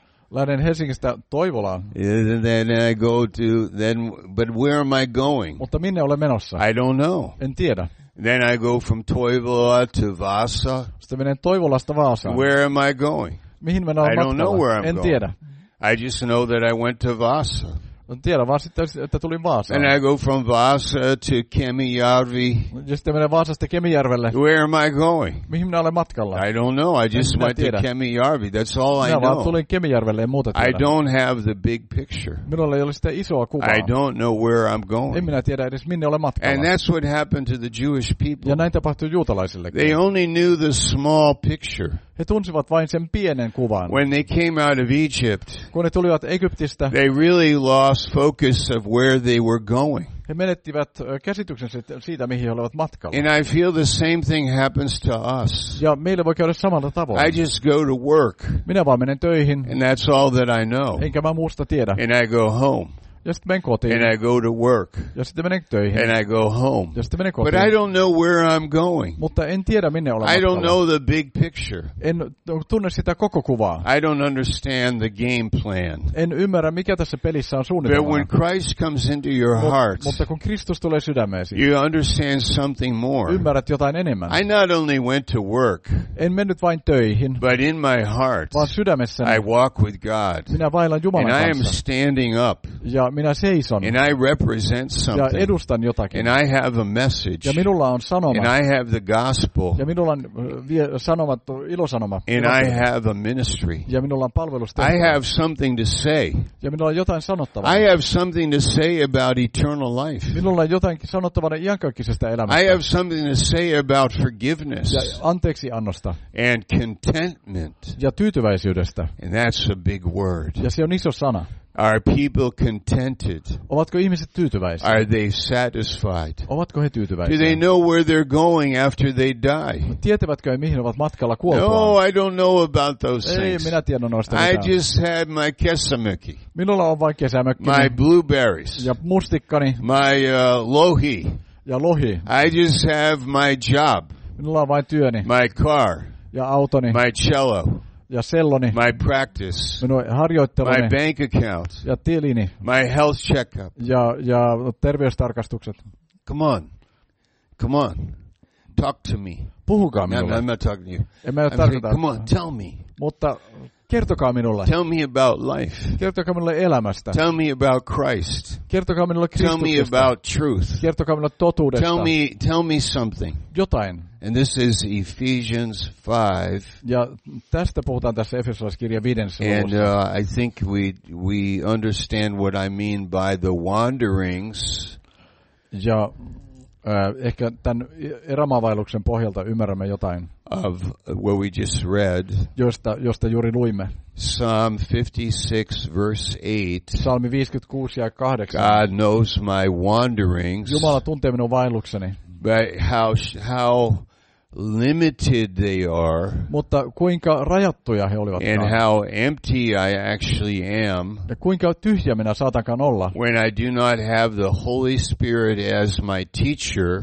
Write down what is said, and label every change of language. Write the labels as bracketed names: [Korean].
[Finnish] Lähden Helsingistä Toivolaan. [English] Then I go to then, but where am I going? [Finnish] Mutta minne olen menossa? [English] I don't know. [Finnish] En tiedä. [English] Then I go from Toivola to Vaasa. [Finnish] Sitten menen Toivolasta Vaasaan. [English] Where am I going? [Finnish] Mihin minä olen matkalla? [English] I don't know where I'm going. [Finnish] En tiedä. [English] I just know that I went to Vaasa. [Finnish] Tiedän vaan sitten, että tulin Vaasaan. [English] And I go from Vaasa to Kemijärvi. [Finnish] Ja sitten menen Vaasasta Kemijärvelle. [English] Where am I going? [Finnish] Mihin minä olen matkalla? [English] I don't know. I just went to Kemijärvi. That's all [Finnish] minä [English] I know. [Finnish] Minä vaan tulin Kemijärvelle ja muuta tiedä. [English] I don't have the big picture. [Finnish] Minulla ei ole sitä isoa kuvaa. [English] I don't know where I'm going. [Finnish] En minä tiedä edes, minne olen matkalla. [English] And that's what happened to the Jewish people. [Finnish] Ja näin tapahtui juutalaisillekin. [English] They only knew the small picture. [Finnish] He tunsivat vain sen pienen kuvan. [English] When they came out of Egypt, [Finnish] kun he tulivat Egyptistä, [English] they really lost focus of where they were going. [Finnish] He menettivät käsityksen siitä, mihin he olivat matkalla. [English] And I feel the same thing happens to us. [Finnish] Ja meillä voi käydä samalla tavalla. [English] I just go to work. [Finnish] Minä vaan menen töihin. [English] And that's all that I know. [Finnish] Enkä mä muusta tiedä. [English] And I go home. [Finnish] Ja sitten menen kotiin. [English] And I go to work. [Finnish] Ja sitten menen töihin. [English] And I go home. [Finnish] Ja sitten menen kotiin. [English] But I don't know where I'm going. [Finnish] Mutta en tiedä, minne olen matkalla. [English] I don't know the big picture. [Finnish] En tunne sitä koko kuvaa. [English] I don't understand the game plan. [Finnish] En ymmärrä, mikä tässä pelissä on suunnitelma. [English] But when Christ comes into your heart, [Finnish] mutta kun Kristus tulee sydämeesi, [English] you understand something more. [Finnish] Ymmärrät jotain enemmän. [English] I not only went to work. [Finnish] En mennyt vain töihin. [English] But in my heart, [Finnish] vaan sydämessäni, [English] I walk with God. [Finnish] Minä vaillan Jumalan kanssa. [English] And I am standing up. [Finnish] Ja minä seison. [English] And I represent something. [Finnish] Ja edustan jotakin. [English] And I have a message. [Finnish] Ja minulla on sanoma. [English] And I have the gospel. [Finnish] Ja minulla on sanomat, ilosanoma. [English] And I have a ministry. [Finnish] Ja minulla on palvelus. [English] I have something to say. [Finnish] Ja minulla on jotain sanottavaa. [English] I have something to say about eternal life. [Finnish] Minulla on jotain sanottavaa iankaikkisesta elämästä. [English] I have something to say about forgiveness. [Finnish] Ja anteeksi annosta. [English] And contentment. [Finnish] Ja tyytyväisyydestä. [English] And that's a big word. [Finnish] Ja se on iso sana. [English] Are people contented? [Finnish] Ovatko ihmiset tyytyväisiä? [English] Are they satisfied? [Finnish] Ovatko he tyytyväisiä? [English] Do they know where they're going after they die? [Finnish] Tietävätkö he, mihin ovat matkalla kuoltaan? [English] No, I don't know about those things. [Finnish] Ei, minä tiedän noista mitään. [English] I just had my kesämökki. [Finnish] Minulla on vain kesämökki. [English] My blueberries. [Finnish] Ja mustikkani. [English] My lohi. [Finnish] Ja lohi. [English] I just have my job. [Finnish] Minulla on vain työni. [English] My car. [Finnish] Ja autoni. [English] My cello. [Finnish] Ja selloni, [English] my practice, [Finnish] minun harjoitteluni, [English] my bank account, [Finnish] ja tilini, [English] my health checkup, [Finnish] ja terveystarkastukset. [English] Come on, come on, talk to me. [Finnish] Puhukaa minulle. [English] I'm not talking to you. [Finnish] En mä ole tarkoita. [English] Come on, tell me. [Finnish] Mutta kertokaa minulle. [English] Tell me about life. [Finnish] Kertokaa minulle elämästä. [English] Tell me about Christ. [Finnish] Kertokaa minulle Kristuksesta. [English] Tell me about truth. [Finnish] Kertokaa minulle totuudesta. [English] Tell me something. [Finnish] Jotain. [English] And this is Ephesians 5. [Finnish] Ja tästä puhutaan tässä Efesolaiskirja 5. [English] And I think we understand what I mean by the wanderings. [Finnish] Ja ehkä tämän erämaavailuksen pohjalta ymmärrämme jotain. [English] Of what we just read. [Finnish] Josta juuri luimme. [English] Psalm 56 verse 8. [Finnish] Psalmi 56 ja 8. [English] God knows my wanderings. [Finnish] Jumala tuntee minun vaellukseni. [English] But how limited they are. [Finnish] Mutta kuinka rajattuja he olivat. [English] And how empty I actually am. [Finnish] Ja kuinka tyhjä minä saatankaan olla. [English] When I do not have the Holy Spirit as my teacher.